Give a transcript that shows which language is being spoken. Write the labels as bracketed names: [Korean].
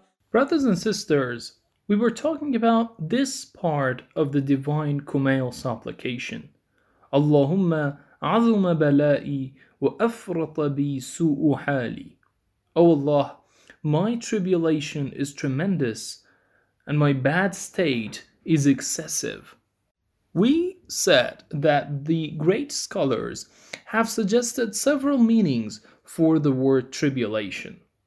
[English] Brothers and sisters, we were talking about this part of the Divine Kumail supplication. [Arabic] اللهم عظم بلائي وأفرط بي سوء حالي. [English] O Allah, my tribulation is tremendous and my bad state is excessive. We said that the great scholars have suggested several meanings for the word tribulation.